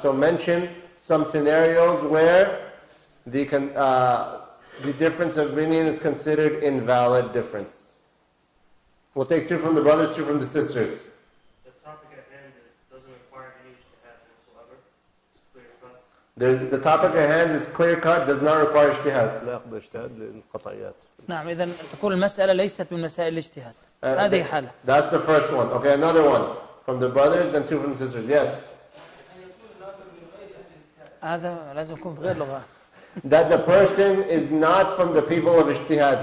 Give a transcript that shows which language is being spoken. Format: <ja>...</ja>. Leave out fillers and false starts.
<en>So mention some scenarios where the difference of opinion is considered invalid difference. We'll take two from the brothers, two from the sisters. The topic at hand is clear-cut, does not require ijtihad.</en> <ar>نعم، إذن تكون المسألة ليست من مسائل الاجتهاد. هذه حالة.</ar> <en>That's the first one. Okay, another one from the brothers and two from sisters. Yes.</en> <ar>هذا لازم يكون بغير لغة.</ar> <en>That the person is not from the people of ijtihad.</en>